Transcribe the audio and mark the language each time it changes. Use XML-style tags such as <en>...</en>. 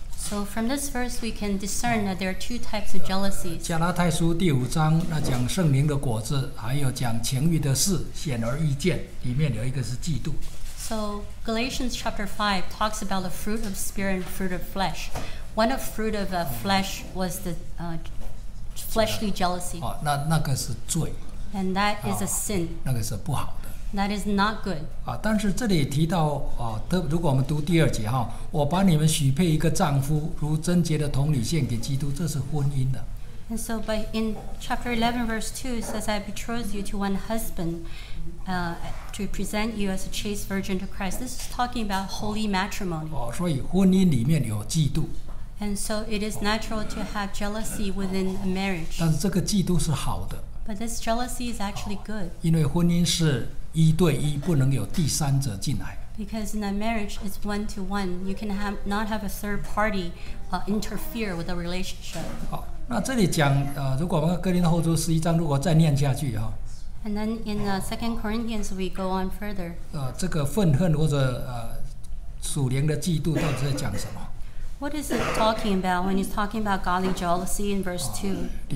<en>So from this verse we can discern that there are two types of jealousy.</en> <zh>加拉太书第五章那讲圣灵的果子，还有讲情欲的事，显而易见，里面有一个是嫉妒。</zh> <en>So Galatians chapter 5 talks about the fruit of spirit and fruit of flesh. One of fruit of flesh was the fleshly jealousy.</en> <zh>那个是罪。</zh> <en>And that is a sin.</en> <zh>那个是不好。</zh> <en>That is not good.</en> <zh>但是这里提到如果我们读第二节哈，我把你们许配一个丈夫，如贞洁的童女献给基督，这是婚姻的。</zh> <en>And so, but in chapter 11, verse 2 says, "I betroth you to one husband, to present you as a chaste virgin to Christ." This is talking about holy matrimony.</en> <zh>所以婚姻里面有嫉妒。</zh> <en>And so, it is natural to have jealousy within a marriage.</en> <zh>但是这个嫉妒是好的。</zh> <en>But this jealousy is actually good.</en> <zh>因为婚姻是一对一，不能有第三者进来。</zh> <en>Because in a marriage, it's one to one. You can not have a third party interfere with a relationship.</en> <zh>好，那这里讲如果我们哥林多后书十一章如果再念下去哈。</zh> <en>And then in Second Corinthians, we go on further.</en> <zh>这个愤恨或者属灵的嫉妒到底在讲什么</zh> <en>？What is it talking about when he's talking about godly jealousy in verse 2?</en>